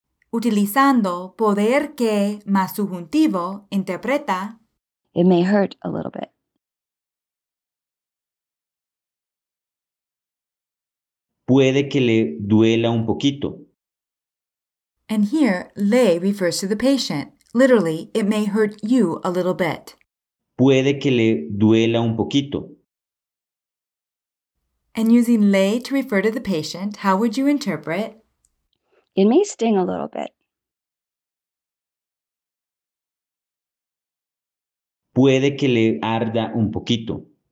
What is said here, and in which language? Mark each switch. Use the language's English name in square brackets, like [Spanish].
[Spanish] Utilizando poder que más subjuntivo, interpreta. [English] It may hurt a little bit. [Spanish] Puede que le duela un poquito. [English] And here, le refers to the patient. Literally, it may hurt you a little bit. [Spanish] Puede que le duela un poquito. [English] And using le to refer to the patient, how would you interpret? It may sting a little bit. [Spanish] Puede que le arda un poquito.